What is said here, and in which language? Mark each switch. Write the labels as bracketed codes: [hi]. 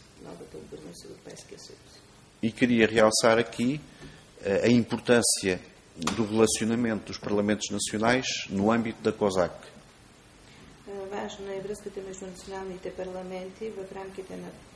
[bg] Новата обвързаност с Европейския съюз. [pt] И queria realçar aqui a importância do relacionamento dos Parlamentos Nacionais no âmbito da COSAC. [bg] Важна е връзката между националните парламенти в рамките на